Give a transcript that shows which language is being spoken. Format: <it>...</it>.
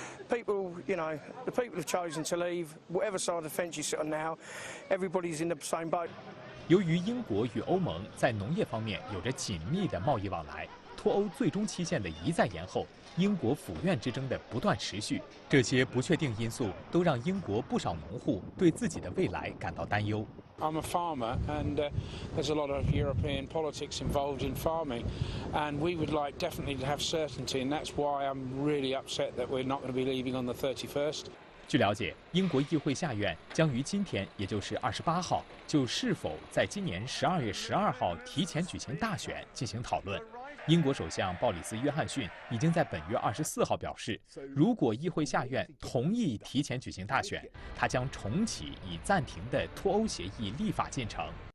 <en>People, you know, the people have chosen to leave. Whatever side of the fence you sit on now, everybody's in the same boat.</en> <zh>由于英国与欧盟在农业方面有着紧密的贸易往来，脱欧最终期限的一再延后，英国府院之争的不断持续，这些不确定因素都让英国不少农户对自己的未来感到担忧。</zh> <en>I'm a farmer, and there's a lot of European politics involved in farming, and we would like definitely to have certainty, and that's why I'm really upset that we're not going to be leaving on the 31st.</en> <zh>据了解，英国议会下院将于今天，也就是28号，就是否在今年12月12号提前举行大选进行讨论。英国首相鲍里斯·约翰逊已经在本月24号表示，如果议会下院同意提前举行大选，他将重启已暂停的脱欧协议立法进程。</zh>